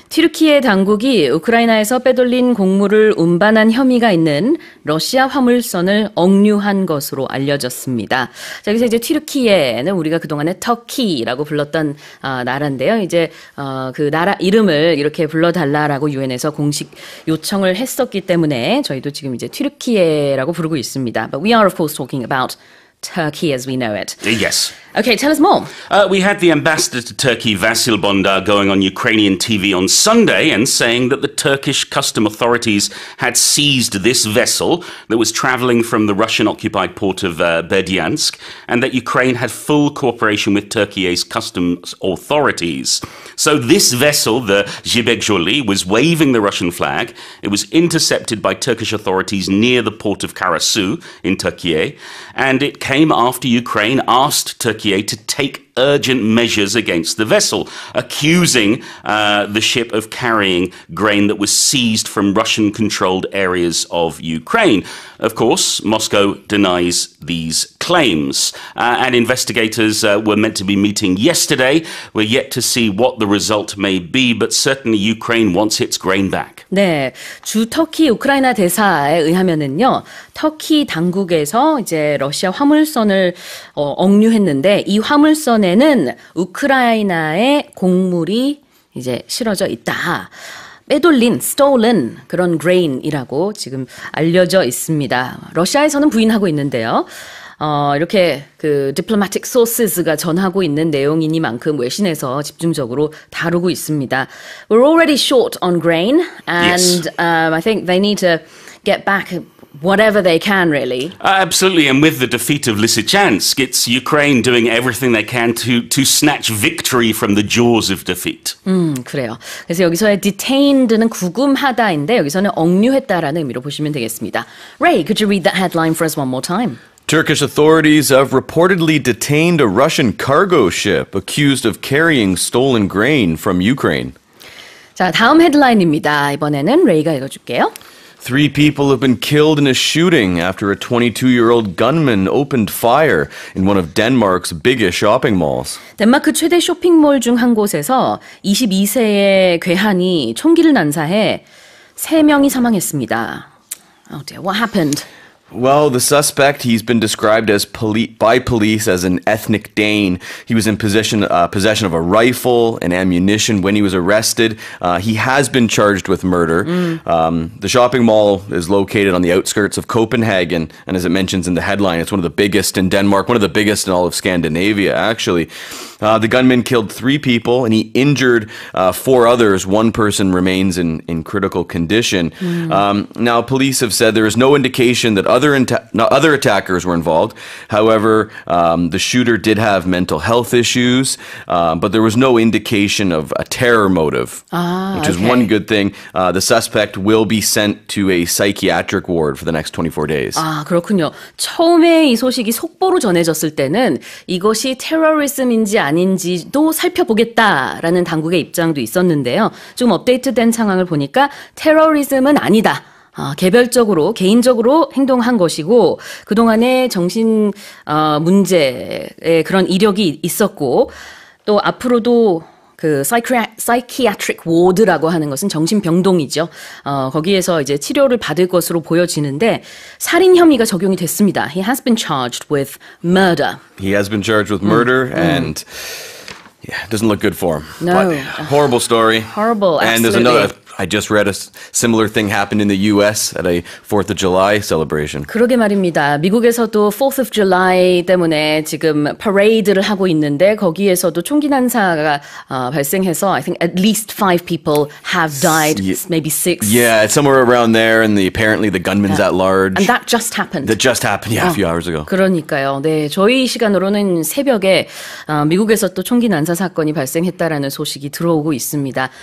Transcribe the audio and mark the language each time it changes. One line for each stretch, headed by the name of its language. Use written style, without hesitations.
Korean: 튀르키예 당국이 우크라이나에서 빼돌린 곡물을 운반한 혐의가 있는 러시아 화물선을 억류한 것으로 알려졌습니다. 자, 여기서 이제 튀르키예는 우리가 그동안에 터키라고 불렀던 나라인데요. 이제 그 나라 이름을 이렇게 불러달라라고 UN에서 공식 요청을 했었기 때문에 저희도 지금 이제 튀르키예라고 부르고 있습니다.
English: But we are of course talking about Turkey as we know it. Yes. Okay, tell us more. We had the ambassador to Turkey, Vasil Bondar, going on Ukrainian TV on Sunday and saying that the Turkish custom authorities had seized this vessel that was travelling from the Russian-occupied port of Berdyansk and that Ukraine had full cooperation with Turkey's customs authorities. So this vessel, the Zibegjoli, was waving the Russian flag. It was intercepted by Turkish authorities near the port of Karasu in Turkey, and it came after Ukraine asked Turkey to take urgent measures against the vessel, accusing the ship of carrying grain that was seized from Russian-controlled areas of Ukraine. Of course, Moscow denies these claims. And investigators were meant to be meeting yesterday. We're yet to see what the result may be, but certainly Ukraine wants its grain back.
Korean: 네, 주 터키 우크라이나 대사에 의하면은요, 터키 당국에서 이제 러시아 화물선을 억류했는데 이 화물선에 는 우크라이나의 곡물이 이제 실어져 있다. 빼돌린 stolen 그런 grain이라고 지금 알려져 있습니다. 러시아에서는 부인하고 있는데요. 이렇게 그 diplomatic sources가 전하고 있는 내용이니만큼 외신에서 집중적으로 다루고 있습니다.
English: We're already short on grain and yes. I think they need to get back whatever they can, really. Absolutely, and with the defeat of Lysychansk, it's Ukraine doing everything they can to snatch victory from the jaws of defeat.
Korean: 그래요. 그래서 여기서의 detained는 구금하다인데 여기서는 억류했다라는 의미로 보시면 되겠습니다.
English: Ray, could you read that headline for us one more time? Turkish authorities have reportedly detained a Russian cargo ship accused of carrying stolen grain from Ukraine.
Korean: 자, 다음 헤드라인입니다. 이번에는 레이가 읽어줄게요.
English: Three people have been killed in a shooting after a 22-year-old gunman opened fire in one of Denmark's biggest shopping malls.
Korean: 덴마크 최대 쇼핑몰 중 한 곳에서 22세의 괴한이 총기를 난사해 세 명이 사망했습니다.
English: Oh dear, what happened? Well, the suspect, he's been described as by police as an ethnic Dane. He was in possession of a rifle and ammunition when he was arrested. He has been charged with murder. The shopping mall is located on the outskirts of Copenhagen, and as it mentions in the headline, it's one of the biggest in Denmark, one of the biggest in all of Scandinavia, actually. The gunman killed three people, and he injured four others. One person remains in critical condition. Now, police have said there is no indication that other attackers were involved. However, the shooter did have mental health issues, but there was no indication of a terror motive, which is one good thing. The suspect will be sent to a psychiatric ward for the next 24 days.
Korean: 아, 그렇군요. 처음에 이 소식이 속보로 전해졌을 때는 이것이 테러리즘인지 아닌지도 살펴보겠다라는 당국의 입장도 있었는데요. 좀 업데이트된 상황을 보니까 테러리즘은 아니다. 개별적으로 개인적으로 행동한 것이고 그동안에 정신 문제에 그런 이력이 있었고 또 앞으로도 그 psychiatric ward라고 하는 것은 정신병동이죠. 거기에서 이제 치료를 받을 것으로 보여지는데 살인 혐의가 적용이 됐습니다.
English: He has been charged with murder. He has been charged with murder and yeah, doesn't look good for him. No. But horrible story. Horrible. Absolutely. And there's another I just read a similar thing happened in the U.S. at a 4th of July celebration.
Korean: 그러게 말입니다. 미국에서도 4th of July 때문에 지금 parade를 하고 있는데 거기에서도 총기 난사가 발생해서
English: I think at least 5 people have died, maybe 6. Yeah, somewhere around there and apparently the gunman's at large. And that just happened. That just happened, yeah, a few hours ago.
Korean: 그러니까요. 네, 저희 시간으로는 새벽에 미국에서도 총기 난사 사건이 발생했다라는 소식이 들어오고 있습니다.